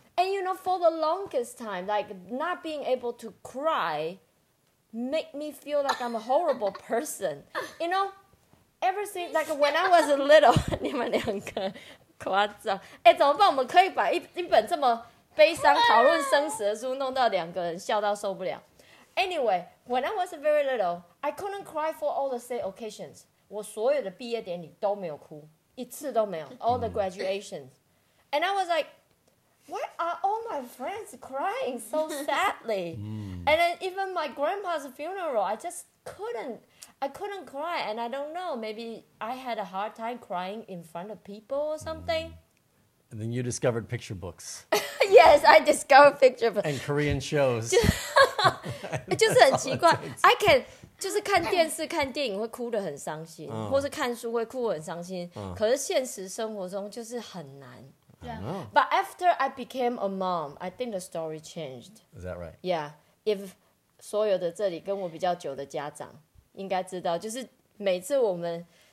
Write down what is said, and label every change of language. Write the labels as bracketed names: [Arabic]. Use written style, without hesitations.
[English] And, you know, for the longest time, like, not being able to cry make me feel like I'm a horrible person. You know, ever since, like, when I was little, [Chinese] 你们两个夸张。哎，怎么办？我们可以把一本这么悲伤讨论生死的书弄到两个人笑到受不了。 [English] Anyway, when I was very little, I couldn't cry for all the same occasions. [Chinese] 我所有的毕业典礼都没有哭，一次都没有。 [English] All the graduations. And I was like,Why are all my friends crying so sadly? And then even my grandpa's funeral, I couldn't cry. And I don't know, maybe I had a hard time crying in front of people or something. And then you discovered picture books. Yes, I discovered picture books. And Korean shows. [Chinese] 就是很奇怪 [English] I can [Chinese] 就是看电视看电影会哭得很伤心、oh. 或是看书会哭得很伤心、oh. 可是现实生活中就是很难 [English] Yeah. But after I became a mom, I think the story changed. Is that right? Yeah. [Chinese] If 所有的这里跟我比较久的家长应该知道，就是每次我们